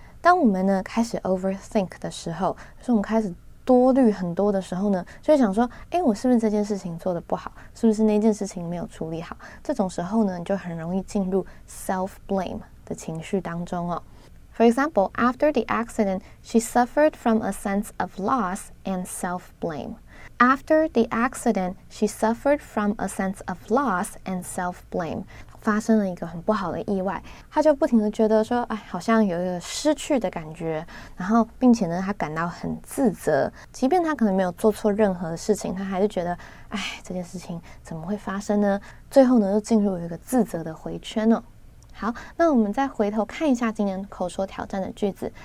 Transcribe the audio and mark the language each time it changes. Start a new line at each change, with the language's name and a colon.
Chinese: 当我们呢开始 overthink 的时候，就是我们开始多虑很多的时候呢，就会想说，诶，我是不是这件事情做得不好，是不是那件事情没有处理好。这种时候呢你就很容易进入 self-blame 的情绪当中哦。
English: For example, after the accident, she suffered from a sense of loss and self-blame. After the accident, she suffered from a sense of loss and self-blame.
Chinese: 发生了一个很不好的意外，她就不停地觉得说，哎，好像有一个失去的感觉，然后并且呢，她感到很自责。即便她可能没有做错任何事情，她还是觉得，哎，这件事情怎么会发生呢？最后呢，又进入一个自责的回圈了。好，那我们再回头看一下今年口说挑战的句子。